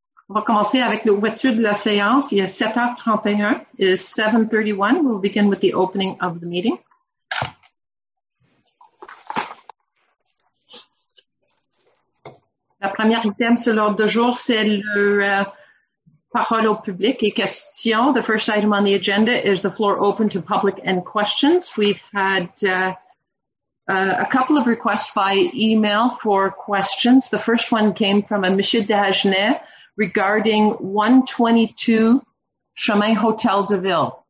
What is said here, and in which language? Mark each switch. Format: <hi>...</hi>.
<fr>On va commencer avec l'ouverture de la séance. Il est 7h31.</fr> <en>It is 7:31. We'll begin with the opening of the meeting.</en> <fr>La première item sur l'ordre de jour, c'est le parole au public et questions.</fr> <en>The first item on the agenda is the floor open to public and questions. We've had a couple of requests by email for questions. The first one came from a Monsieur Dagenet regarding 122 Chemin Hôtel de Ville.</en>